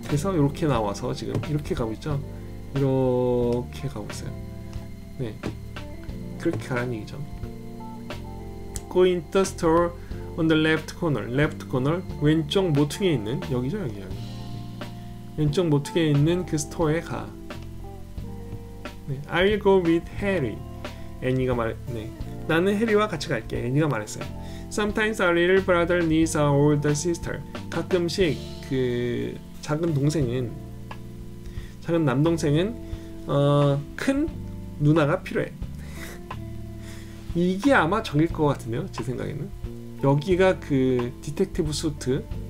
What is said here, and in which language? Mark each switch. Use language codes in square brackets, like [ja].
[ko] 그래서 이렇게 나와서 지금 이렇게 가고 있죠. 이렇게 가고 있어요. 네, 그렇게 가라는 얘기죠. [en] Go into the store on the left corner. Left corner [ko] 왼쪽 모퉁이에 있는 여기죠, 여기요. 왼쪽 모퉁이에 있는 그 스토어에 가. [en] I will go with Harry. [ko] 애니가 말. 네, 나는 해리와 같이 갈게. 애니가 말했어요. [en] Sometimes our little brother needs our older sister. [ko] 가끔씩 그 작은 남동생은 큰 누나가 필요해. 이게 아마 정일 것 같은데요, 제 생각에는. 여기가 그 디텍티브 수트.